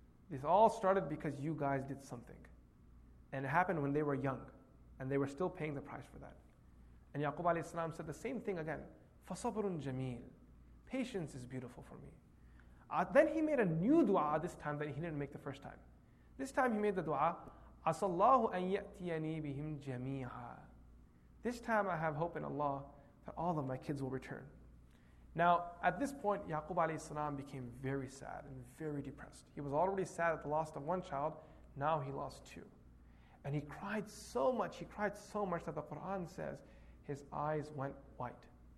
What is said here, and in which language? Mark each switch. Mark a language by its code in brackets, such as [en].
[en] This all started because you guys did something. And it happened when they were young. And they were still paying the price for that. And Yaqub alayhi salam said the same thing again. [ar] فَصَبْرٌ جَمِيلٌ. [en] Patience is beautiful for me. Then he made a new dua this time that he didn't make the first time. This time he made the dua. [ar] أَصَلَّهُ أَن يَأْتِيَنِي بِهِمْ جَمِيعًا. [en] This time I have hope in Allah that all of my kids will return. Now, at this point, Yaqub alayhi salam became very sad and very depressed. He was already sad at the loss of one child, now he lost two. And he cried so much that the Quran says his eyes went white.